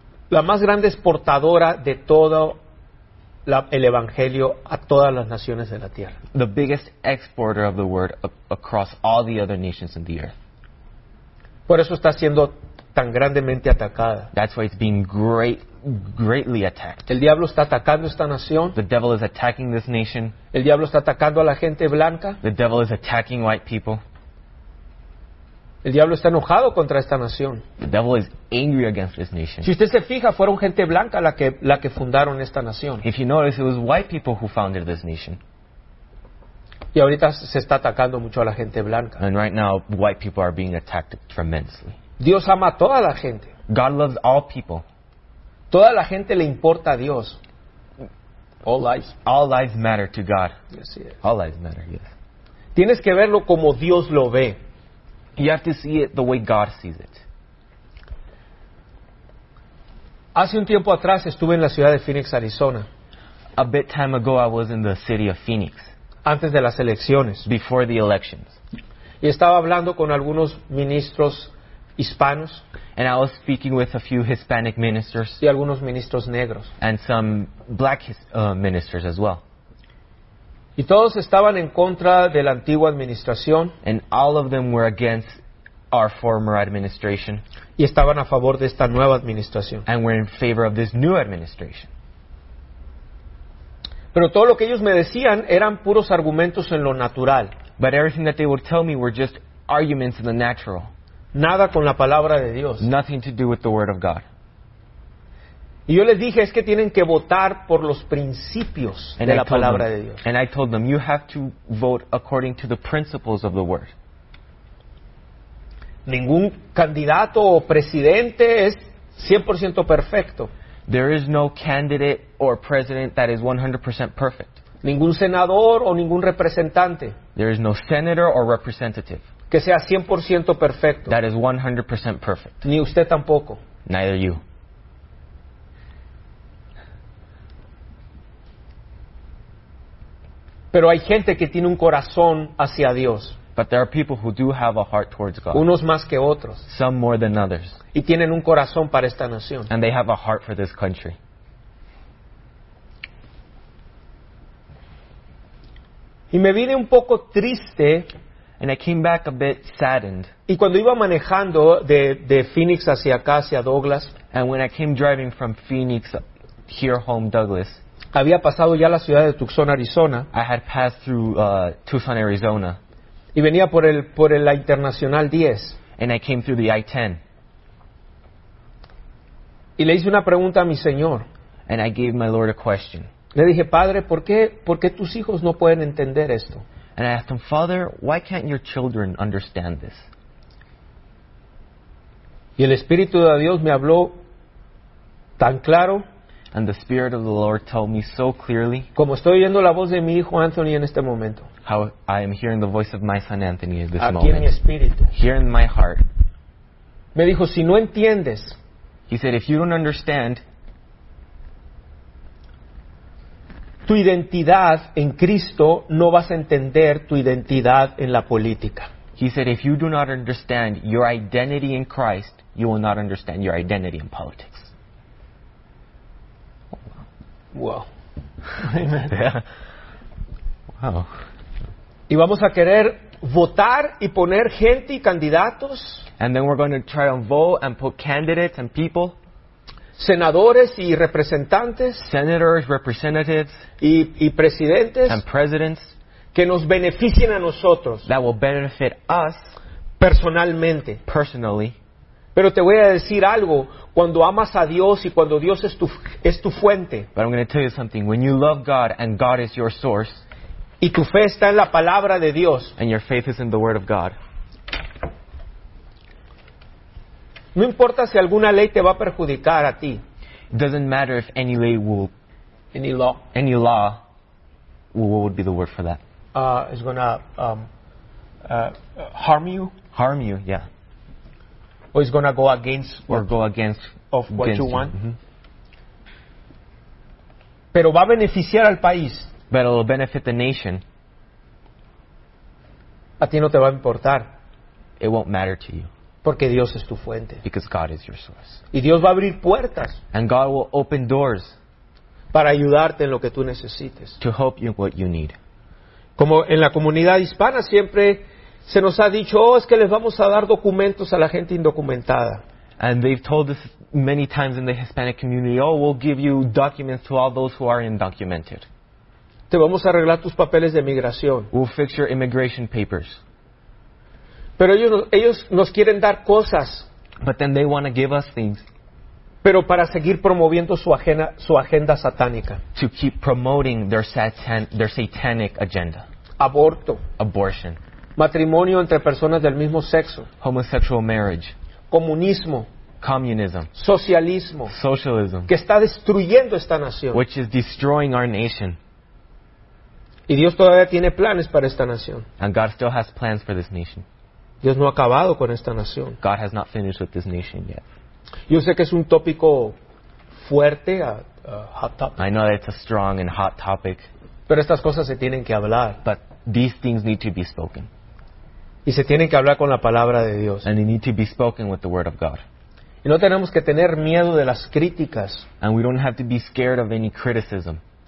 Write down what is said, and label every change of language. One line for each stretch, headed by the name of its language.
Spanish: La más grande exportadora de todo el evangelio a todas las naciones de la tierra.
English: The biggest exporter of the word across all the other nations in the earth.
Spanish: Por eso está siendo tan grandemente atacada.
English: That's why it's being greatly attacked.
Spanish: El diablo está atacando esta nación.
English: The devil is attacking this nation.
Spanish: El diablo está atacando a la gente blanca.
English: The devil is attacking white people.
Spanish: El diablo está enojado contra esta nación.
English: The devil is angry against this nation.
Spanish: Si usted se fija, fueron gente blanca la que fundaron esta nación.
English: If you notice, it was white people who founded this nation.
Spanish: Y ahorita se está atacando mucho a la gente blanca.
English: And right now, white people are being attacked tremendously.
Spanish: Dios ama a toda la gente.
English: God loves all people.
Spanish: Toda la gente le importa a Dios.
English: All lives. All lives matter to God.
Spanish: Yes, yes.
English: All lives matter, yes.
Spanish: Tienes que verlo como Dios lo ve.
English: You have to see it the way God sees it.
Spanish: Hace un tiempo atrás estuve en la ciudad de Phoenix, Arizona.
English: A bit time ago I was in the city of Phoenix.
Spanish: Antes de las elecciones.
English: Before the elections.
Spanish: Y estaba hablando con algunos ministros hispanos.
English: And I was speaking with a few Hispanic ministers.
Spanish: Y algunos ministros negros.
English: And some black ministers as well.
Spanish: Y todos estaban en contra de la antigua administración.
English: And all of them were against our former administration.
Spanish: Y estaban a favor de esta nueva administración.
English: And were in favor of this new administration.
Spanish: Pero todo lo que ellos me decían eran puros argumentos en lo natural.
English: But everything that they would tell me were just arguments in the natural.
Spanish: Nada con la palabra de Dios.
English: Nothing to do with the word of God.
Spanish: Y yo les dije, es que tienen que votar por los principios de la palabra de Dios.
English: And I told them, you have to vote according to the principles of the word.
Spanish: Ningún candidato o presidente es 100% perfecto.
English: There is no candidate or president that is 100% perfect.
Spanish: Ningún senador o ningún representante.
English: There is no senator or representative.
Spanish: Que sea 100% perfecto.
English: That is 100% perfect.
Spanish: Ni usted tampoco.
English: Neither you.
Spanish: Pero hay gente que tiene un corazón hacia Dios.
English: But there are people who do have a heart towards God.
Spanish: Unos más que otros.
English: Some more than others.
Spanish: Y tienen un corazón para esta nación.
English: And they have a heart for this country.
Spanish: Y me vine un poco triste.
English: And I came back a bit saddened.
Spanish: Y cuando iba manejando de Phoenix hacia acá, hacia Douglas.
English: And when I came driving from Phoenix here home, Douglas.
Spanish: Había pasado ya la ciudad de Tucson, Arizona.
English: I had passed through Tucson, Arizona.
Spanish: Y venía por la Internacional 10.
English: And I came through the I-10.
Spanish: Y le hice una pregunta a mi Señor.
English: And I gave my Lord a question.
Spanish: Le dije, Padre, ¿por qué tus hijos no pueden entender esto?
English: And I asked him, Father, why can't your children understand this?
Spanish: Y el Espíritu de Dios me habló tan claro.
English: And the Spirit of the Lord told me so clearly.
Spanish: Como estoy oyendo la voz de mi hijo Anthony en este momento.
English: How I am hearing the voice of my son Anthony at this
Spanish: aquí
English: moment.
Spanish: Aquí en mi espíritu.
English: Here in my heart.
Spanish: Me dijo, si no entiendes.
English: He said, if you don't understand.
Spanish: Tu identidad en Cristo, no vas a entender tu identidad en la política.
English: He said, if you do not understand your identity in Christ, you will not understand your identity in politics. Wow. Amen. Wow.
Spanish: Y vamos a querer votar y poner gente y candidatos.
English: And then we're going to try to vote and put candidates and people.
Spanish: Senadores y representantes.
English: Senators, representatives.
Spanish: Y presidentes.
English: And presidents.
Spanish: Que nos beneficien a nosotros.
English: That will benefit us.
Spanish: Personalmente.
English: Personally.
Spanish: Pero te voy a decir algo. Cuando amas a Dios y cuando Dios es tu fuente.
English: But I'm going to tell you something. When you love God and God is your source.
Spanish: Y tu fe está en la palabra de Dios.
English: And your faith is in the word of God.
Spanish: No importa si alguna ley te va a perjudicar a ti.
English: It doesn't matter if any
Spanish: ley
English: will... Any law. What would be the word for that? Is going to harm you. Harm you, yeah. Or is going to go against... Or go against what you want. Mm-hmm.
Spanish: Pero va a beneficiar al país.
English: But it will benefit the nation.
Spanish: A ti no te va a importar.
English: It won't matter to you.
Spanish: Porque Dios es tu fuente.
English: Because God is your source.
Spanish: Y Dios va a abrir puertas.
English: And God will open doors.
Spanish: Para ayudarte en lo que tú necesites.
English: To help you in what you need.
Spanish: Como en la comunidad hispana siempre se nos ha dicho, oh, es que les vamos a dar documentos a la gente indocumentada.
English: And they've told us many times in the Hispanic community, oh, we'll give you documents to all those who are undocumented.
Spanish: Te vamos a arreglar tus papeles de migración.
English: We'll fix your immigration papers.
Spanish: Pero ellos nos quieren dar cosas.
English: But then they want to give us things.
Spanish: Pero para seguir promoviendo su agenda satánica.
English: To keep promoting their satanic agenda.
Spanish: Aborto.
English: Abortion.
Spanish: Matrimonio entre personas del mismo sexo.
English: Homosexual marriage.
Spanish: Comunismo.
English: Communism.
Spanish: Socialismo.
English: Socialism.
Spanish: Que está destruyendo esta nación.
English: Which is destroying our nation.
Spanish: Y Dios todavía tiene planes para esta nación.
English: And God still has plans for this nation.
Spanish: Dios no ha acabado con esta nación.
English: God has not finished with this nation yet.
Spanish: Yo sé que es un tópico fuerte,
English: hot topic. I know that it's a strong and hot topic.
Spanish: Pero estas cosas se tienen que hablar.
English: But these things need to be spoken.
Spanish: Y se tienen que hablar con la palabra de Dios.
English: And they need to be spoken with the word of God.
Spanish: Y no tenemos que tener miedo de las críticas.
English: And we don't have to be scared of any criticism.